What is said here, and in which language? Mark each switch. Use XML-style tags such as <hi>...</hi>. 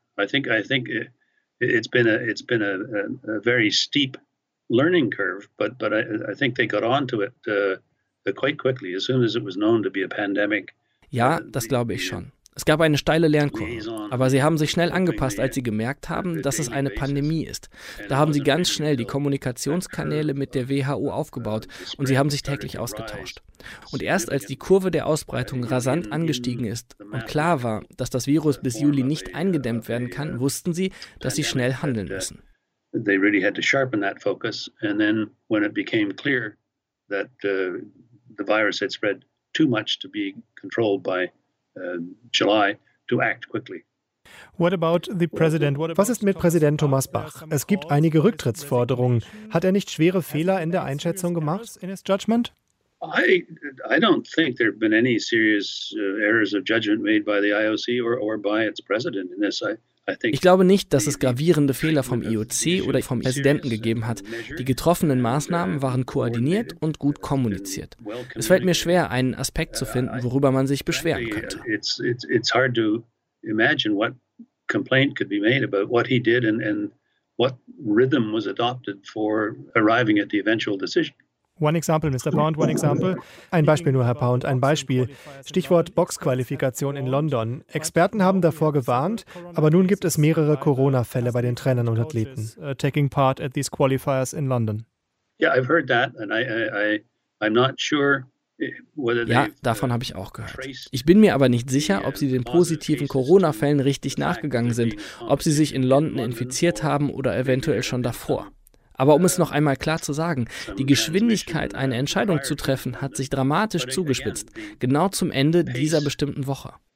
<en>I think it's been a very steep learning curve, but I think they got onto it quite quickly as soon as it was known to be a pandemic.</en> <de>Ja, das glaube ich schon. Es gab eine steile Lernkurve, aber sie haben sich schnell angepasst, als sie gemerkt haben, dass es eine Pandemie ist. Da haben sie ganz schnell die Kommunikationskanäle mit der WHO aufgebaut und sie haben sich täglich ausgetauscht. Und erst als die Kurve der Ausbreitung rasant angestiegen ist und klar war, dass das Virus bis Juli nicht eingedämmt werden kann, wussten sie, dass sie schnell handeln müssen.</de> <en>They really had to sharpen that focus, and then when it became clear that the virus had spread too much to be controlled by July, to act quickly. What about the president?</en> <de>Was ist mit Präsident Thomas Bach? Es gibt einige Rücktrittsforderungen. Hat nicht schwere Fehler in der Einschätzung gemacht,</de> <en>in his judgment? I don't think there have been any serious errors of judgment made by the IOC or by its president in this.</en> <de>Ich glaube nicht, dass es gravierende Fehler vom IOC oder vom Präsidenten gegeben hat. Die getroffenen Maßnahmen waren koordiniert und gut kommuniziert. Es fällt mir schwer, einen Aspekt zu finden, worüber man sich beschweren könnte.</de> <en>It's hard to imagine what complaint could be made about what he did and what rhythm was adopted for arriving at the eventual decision. One example, Mr. Pound, one example.</en> <de>Ein Beispiel nur, Herr Pound, ein Beispiel. Stichwort Boxqualifikation in London. Experten haben davor gewarnt, aber nun gibt es mehrere Corona-Fälle bei den Trainern und Athleten.</de> <en>Taking part at these qualifiers in London. Yeah, I've heard that and I'm not sure.</en> <de>Ja, davon habe ich auch gehört. Ich bin mir aber nicht sicher, ob sie den positiven Corona-Fällen richtig nachgegangen sind, ob sie sich in London infiziert haben oder eventuell schon davor. Aber um es noch einmal klar zu sagen, die Geschwindigkeit, eine Entscheidung zu treffen, hat sich dramatisch zugespitzt, genau zum Ende dieser bestimmten Woche.</de>